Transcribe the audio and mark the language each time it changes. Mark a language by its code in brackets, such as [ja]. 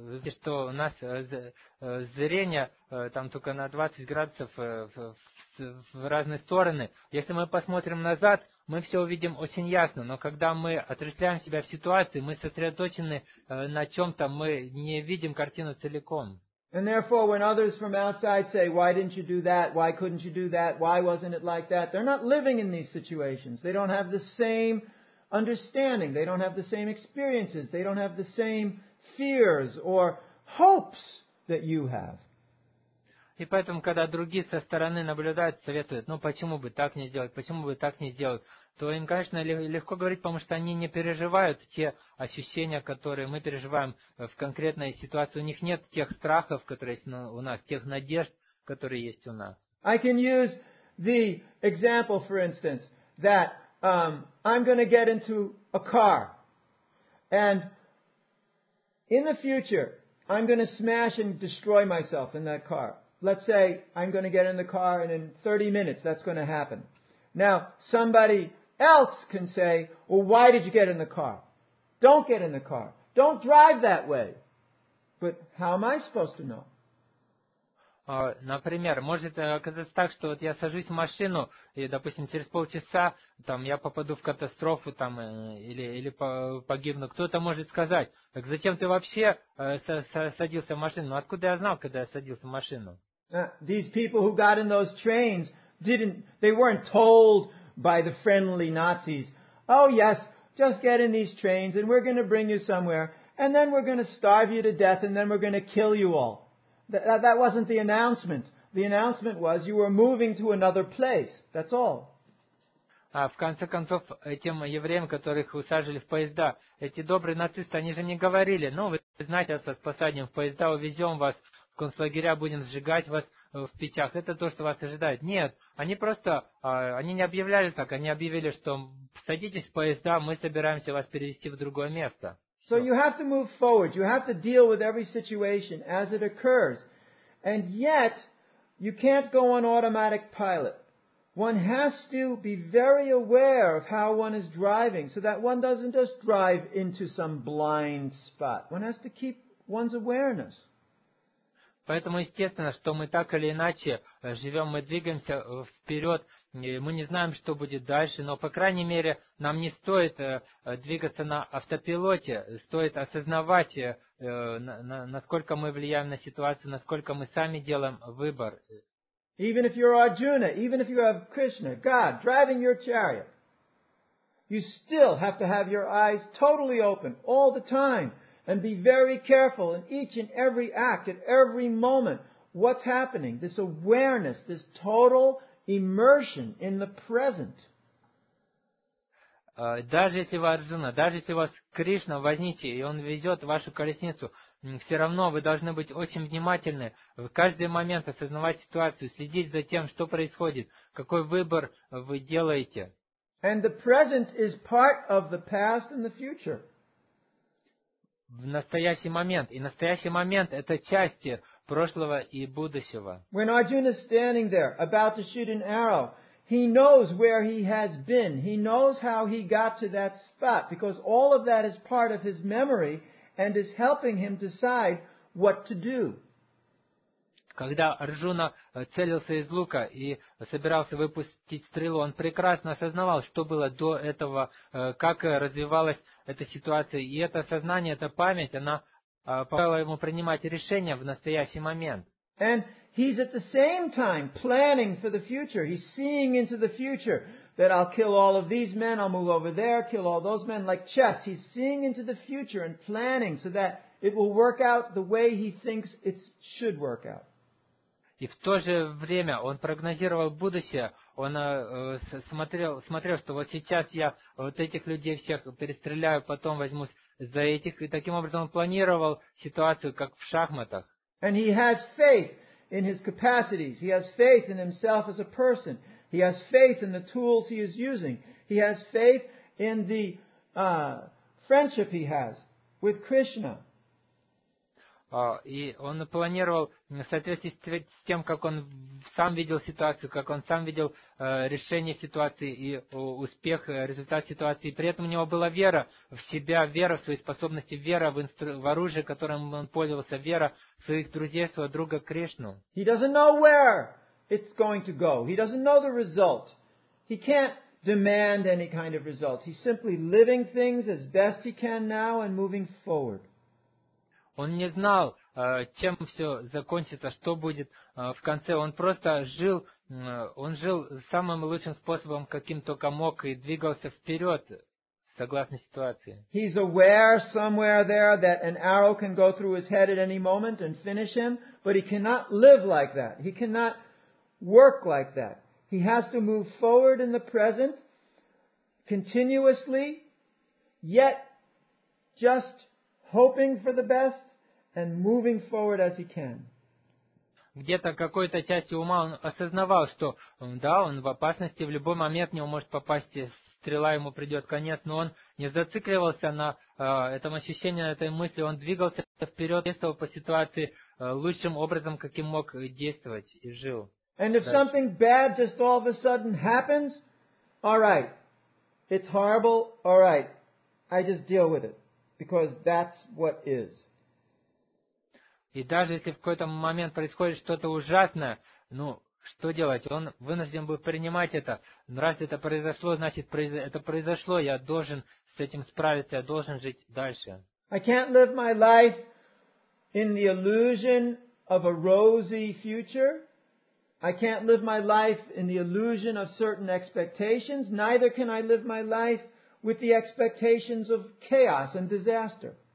[ru] Что у нас зрение там только на 20 градусов в разные стороны. Если мы посмотрим назад, мы все увидим очень ясно. Но когда мы отрезвляем себя в ситуации, мы сосредоточены на чем-то, мы не видим картину целиком. [en] And therefore, when others from outside say, why didn't you do that? Why couldn't you do that? Why wasn't it like that? They're not living in these situations. They don't have the same understanding. They don't have the same experiences. They don't have the same fears or hopes that you have. [ru] И поэтому, когда другие со стороны наблюдают, советуют, ну почему бы так не сделать, почему бы так не сделать, то им, конечно, легко говорить, потому что они не переживают те ощущения, которые мы переживаем в конкретной ситуации. У них нет тех страхов, которые есть у нас, тех надежд, которые есть у нас. [en] I can use the example, for instance, that I'm going to get into a car. And in the future, I'm going to smash and destroy myself in that car. Let's say I'm going to get in the car and in 30 minutes that's going to happen. Now, somebody else can say, well, why did you get in the car? Don't get in the car. Don't drive that way. But how am I supposed to know? [ru] Например, может оказаться так, что вот я сажусь в машину, и, допустим, через полчаса там, я попаду в катастрофу там, или погибну. Кто-то может сказать, так зачем ты вообще садился в машину? Ну, откуда я знал, когда я садился в машину? [en] These people who got in those trains, they weren't told by the friendly Nazis, oh yes, just get in these trains and we're going to bring you somewhere and then we're going to starve you to death and then we're going to kill you all. That wasn't the announcement. The announcement was you were moving to another place. That's all. [ru] В конце концов, этим евреям, которых усаживали в поезда, эти добрые нацисты, они же не говорили, ну, вы знаете, со спасанием в поезда увезем вас в концлагеря, будем сжигать вас, в печах, это то, что вас ожидает. Нет, они просто, они не объявляли так, они объявили, что садитесь в поезда, мы собираемся вас перевести в другое место. [en] So you have to move forward, you have to deal with every situation as it occurs. And yet, you can't go on automatic pilot. One has to be very aware of how one is driving, so that one doesn't just drive into some blind spot. One has to keep one's awareness. [ru] Поэтому естественно, что мы так или иначе живем, мы двигаемся вперед, и мы не знаем, что будет дальше, но, по крайней мере, нам не стоит двигаться на автопилоте, стоит осознавать, насколько мы влияем на ситуацию, насколько мы сами делаем выбор. [en] Even if you're Arjuna, even if you have Krishna, God, driving your chariot, you still have to have your eyes totally open all the time. And be very careful in each and every act, at every moment, what's happening, this awareness, this total immersion in the present. [ru] Даже если вы Арджуна, даже если у вас Кришна возьмите, и Он везет вашу колесницу, все равно вы должны быть очень внимательны, в каждый момент осознавать ситуацию, следить за тем, что происходит, какой выбор вы делаете. [en] And the present is part of the past and the future. [ru] В настоящий момент. И настоящий момент – это части прошлого и будущего. [en] When Arjuna is standing there, about to shoot an arrow, he knows where he has been. He knows how he got to that spot, because all of that is part of his memory and is helping him decide what to do. [ru] Когда Арджуна целился из лука и собирался выпустить стрелу, он прекрасно осознавал, что было до этого, как развивалась эта ситуация. И это сознание, эта память, она помогала ему принимать решения в настоящий момент. [en] And he's at the same time planning for the future. He's seeing into the future that I'll kill all of these men, I'll move over there, kill all those men, like chess. He's seeing into the future and planning so that it will work out the way he thinks it should work out. [ru] И в то же время он прогнозировал будущее, он смотрел, что вот сейчас я вот этих людей всех перестреляю, потом возьмусь за этих, и таким образом он планировал ситуацию, как в шахматах. [en] And he has faith in his capacities, he has faith in himself as a person, he has faith in the tools he is using, he has faith in the friendship he has with Krishna. [ru] И он планировал в соответствии с тем, как он сам видел ситуацию, как он сам видел решение ситуации и успех, результат ситуации. И при этом у него была вера в себя, вера в свои способности, вера в оружие, которым он пользовался, вера в своих друзей, своего друга Кришну. [en] He doesn't know where it's going to go. He doesn't know the result. He can't demand any kind of result. He's simply living things as best he can now and moving forward. [ru] Он не знал, чем все закончится, что будет в конце. Он просто жил, он жил самым лучшим способом, каким только мог, и двигался вперед, согласно ситуации. [en] He's aware somewhere there that an arrow can go through his head at any moment and finish him, but he cannot live like that. He cannot work like that. He has to move forward in the present, continuously, yet just hoping for the best and moving forward as he can. [ru] Где-то какой-то частью ума он осознавал, что да, он в опасности, в любой момент в него может попасть стрела, ему придет конец, но он не зацикливался на этом ощущении, на этой мысли, он двигался вперед, действовал по ситуации лучшим образом, каким мог действовать и жил. And if something bad just all of a sudden happens, all right, it's horrible, all right, I just deal with it. Because that's what is. И даже если в какой-то момент происходит что-то ужасное, ну, что делать? Он вынужден был принимать это. Раз это произошло, значит, это произошло, я должен с этим справиться, я должен жить дальше. [en] I can't live my life in the illusion of a rosy future. I can't live my life in the illusion of certain expectations. Neither can I live my life with the expectations of chaos and disaster.